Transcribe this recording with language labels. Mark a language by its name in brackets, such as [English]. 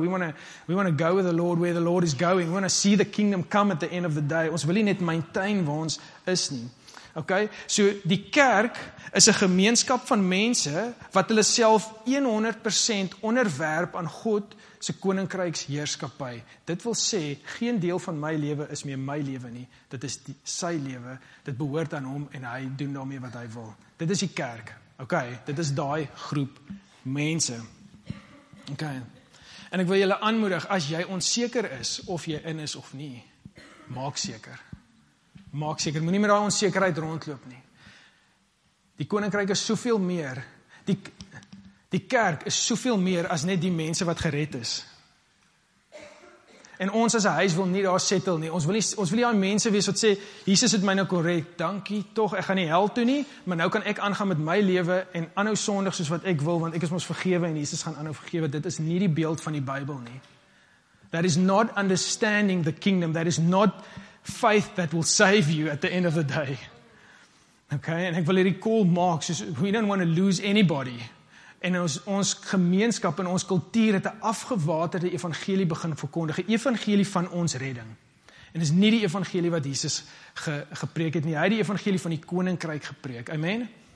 [English] We want to go with the Lord where the Lord is going. We want to see the kingdom come at the end of the day. [Afrikaans] Ons wil nie net maintain waar ons is nie. Ok, so die kerk is 'n gemeenskap van mense wat hulle self 100% onderwerp aan God se koninkryksheerskappy. Dit wil sê, geen deel van my lewe is meer my lewe nie. Dit is sy lewe, dit behoort aan hom en hy doen daarmee wat hy wil. Dit is die kerk, ok, dit is daai groep mense. Ok, en ek wil julle aanmoedig, as jy onseker is of jy in is of nie, maak seker, moet nie met daai onsekerheid rondloop nie. Die koninkryk is soveel meer, die kerk is soveel meer as net die mense wat gered is. En ons as 'n huis wil nie daar settle nie. Ons wil nie daai mense wees wat sê, Jesus het my nou korrek, dankie tog, ek gaan nie hel toe nie, maar nou kan ek aangaan met my lewe en aanhou sondig soos wat ek wil, want ek is mos vergewe en Jesus gaan aanhou vergewe. Dit is nie die beeld van die Bybel nie. [English] That is not understanding the kingdom. That is not faith that will save you at the end of the day. [Afrikaans] Okay, en ek wil hierdie call maak, soos [English] we don't want to lose anybody. [Afrikaans] En ons gemeenskap en ons kultuur het 'n afgewaterde evangelie begin verkondig, 'n evangelie van ons redding. En dis nie die evangelie wat Jesus gepreek het nie, hy het die evangelie van die koninkryk gepreek. Amen.